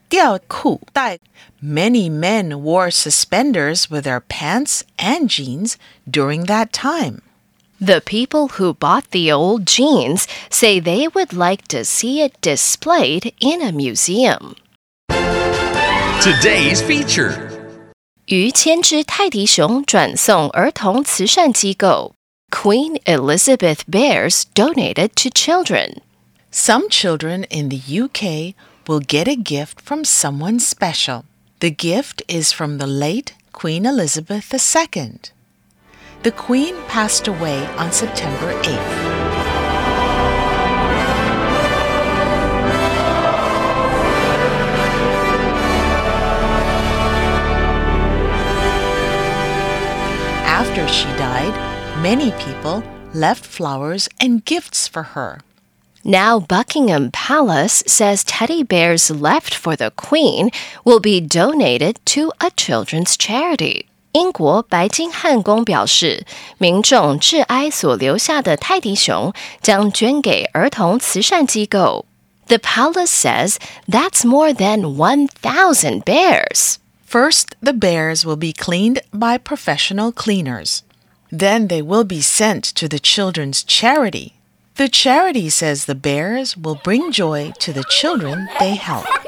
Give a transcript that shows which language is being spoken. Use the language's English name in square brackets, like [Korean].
[English] 吊裤带 Many men wore suspenders with their pants and jeans during that time. The people who bought the old jeans say they would like to see it displayed in a museum. Today's feature. [Chinese] 于千只泰迪熊转送儿童慈善机构。 [English] Queen Elizabeth Bears donated to children. Some children in the UK will get a gift from someone special. The gift is from the late Queen Elizabeth II. The Queen passed away on September 8th. After she died, many people left flowers and gifts for her. Now Buckingham Palace says teddy bears left for the Queen will be donated to a children's charity. [Chinese] 英国白金汉宫表示，民众挚爱所留下的泰迪熊将捐给儿童慈善机构。 [English] The palace says that's more than 1,000 bears. First, the bears will be cleaned by professional cleaners. Then they will be sent to the children's charity. The charity says the bears will bring joy to the children they help.